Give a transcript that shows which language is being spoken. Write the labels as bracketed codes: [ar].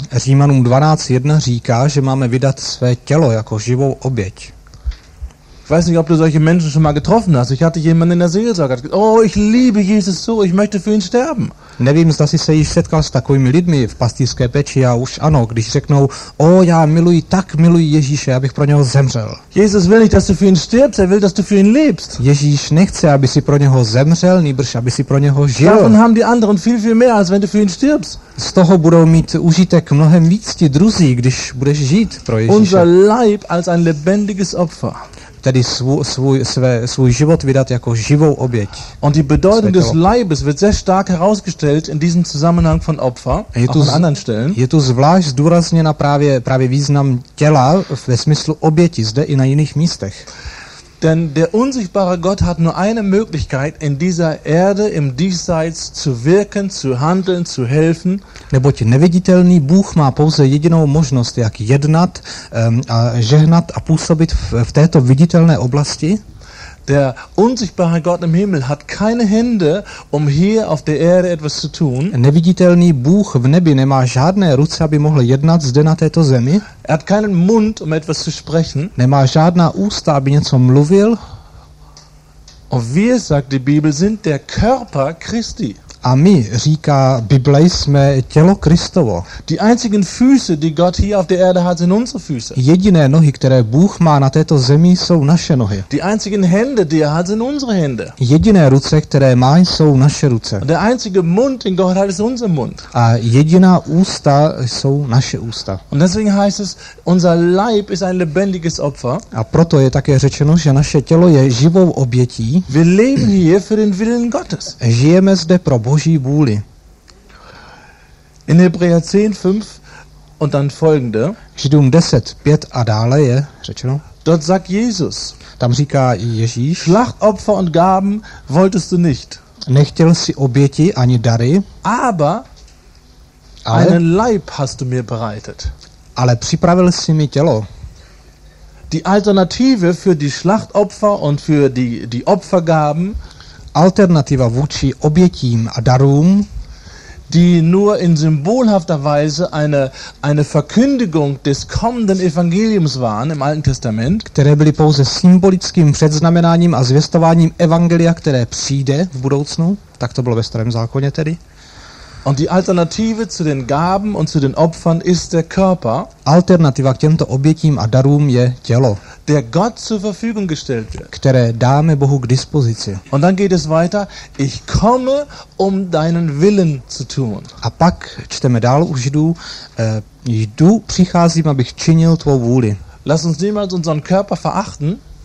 [cs] Římanům 12:1 říká, že máme vydat své tělo jako živou oběť. [de] Ich weiß nicht, ob du solche Menschen schon mal getroffen hast. Ich hatte jemanden in der Seelsorge. Oh, ich liebe Jesus so, ich möchte für ihn sterben. [cs] Nevím, zda jsi se již setkal s takovými lidmi v pastýřské peči, já už ano, když řeknou, o, já miluji, tak miluji Ježíše, abych pro něho zemřel. [de] Jesus will nicht, dass du für ihn stirbst, er will, dass du für ihn lebst. [cs] Ježíš nechce, aby si pro něho zemřel, nýbrž, aby si pro něho žil. [de] Davon haben die anderen viel, viel mehr, als wenn du für ihn stirbst. [cs] Z toho budou mít užitek mnohem víc ti druzí, když budeš žít pro Ježíše. [de] Unser Leib als ein lebendiges Opfer. [cs] Tedy svůj život vydat jako živou oběť. [de] Und die Bedeutung des Leibes wird sehr stark herausgestellt in diesem Zusammenhang von Opfer, auch an anderen Stellen. [cs] Je tu zvlášť zdůrazněna právě význam těla ve smyslu oběti, zde i na jiných místech. [de] Denn der unsichtbare Gott hat nur eine Möglichkeit, in dieser Erde, im Diesseits zu wirken, zu handeln, zu helfen. [cs] Neboť neviditelný Bůh má pouze jedinou možnost, jak jednat a žehnat a působit v této viditelné oblasti. [de] Der unsichtbare Gott im Himmel hat keine Hände, um hier auf der Erde etwas zu tun. [cs] Neviditelný Bůh v nebi nemá žádné ruce, aby mohl jednat zde na této zemi. [de] Er hat keinen Mund, um etwas zu sprechen. [cs] Nemá žádná ústa, aby něco mluvil. [de] Und wir, sagt die Bibel, sind der Körper Christi. [cs] A my, říká Bible, jsme tělo Kristovo. [de] Die einzigen Füße, die Gott hier auf der Erde hat, sind unsere Füße. [cs] Jediné nohy, které Bůh má na této zemi, jsou naše nohy. [de] Die einzigen Hände, die er hat, sind unsere Hände. [cs] Jediné ruce, které má, jsou naše ruce. [de] Der einzige Mund, den Gott hat, ist unser Mund. [cs] A jediná ústa jsou naše ústa. [de] Und deswegen heißt es, unser Leib ist ein lebendiges Opfer. [cs] A proto je také řečeno, že naše tělo je živou obětí. [de] Wir leben hier für den Willen Gottes. [cs] Žijeme zde pro Boží vůli. [de] In Hebräer 10, 5 und dann folgende. [cs] Židům 10, 5 a dále je řečeno. [de] Dort sagt Jesus. [cs] Tam říká Ježíš. [de] Schlachtopfer und Gaben wolltest du nicht. [cs] Nechtěl jsi oběti ani dary. [de] Aber einen Leib hast du mir bereitet. [cs] Ale připravil jsi mi tělo. [de] Die Alternative für die Schlachtopfer und für die Opfergaben. [cs] Alternativa vůči obětím a darům, [de] die nur in symbolhafter Weise eine Verkündigung des kommenden Evangeliums waren im Alten Testament, [cs] které byly pouze symbolickým předznamenáním a zvěstováním evangelia, které přijde v budoucnu, tak to bylo ve starém zákoně tedy. [de] Und die Alternative zu den Gaben und zu den Opfern ist der Körper. [cs] Alternativa k těmto obětím a darům je tělo, [de] der Gott zur Verfügung gestellt wird. [cs] Které dáme Bohu k dispozici. [de] Und dann geht es weiter. Ich komme, um deinen Willen zu tun. [cs] A pak čteme dál u Židů. Jdu, přicházím, abych činil tvou vůli. [de] Lass uns niemals unseren Körper verachten.